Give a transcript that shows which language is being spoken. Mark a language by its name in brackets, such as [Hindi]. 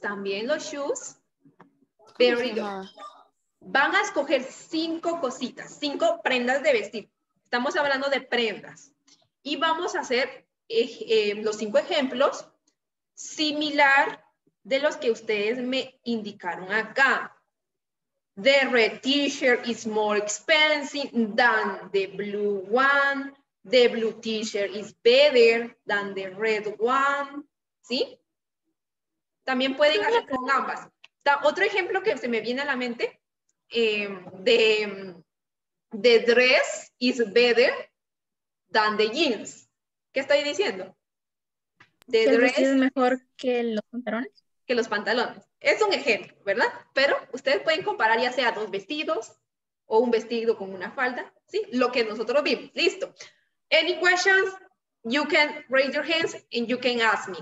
[Spanish] también los shoes. [English] Very good. [Spanish] Van a escoger cinco cositas, cinco prendas de vestir. Estamos hablando de prendas. Y vamos a hacer los cinco ejemplos similar de los que ustedes me indicaron acá. [English] The red t-shirt is more expensive than the blue one. The blue t-shirt is better than the red one. [Spanish] ¿Sí? También pueden hacer con ambas. Otro ejemplo que se me viene a la mente. [English] The dress is better than the jeans. [Spanish] ¿Qué estoy diciendo? [English] The dress [Spanish] es mejor que los pantalones. Que los pantalones. Es un ejemplo, ¿verdad? Pero ustedes pueden comparar ya sea dos vestidos o un vestido con una falda, ¿sí? Lo que nosotros vimos. Listo. [English] Any questions? You can raise your hands and you can ask me.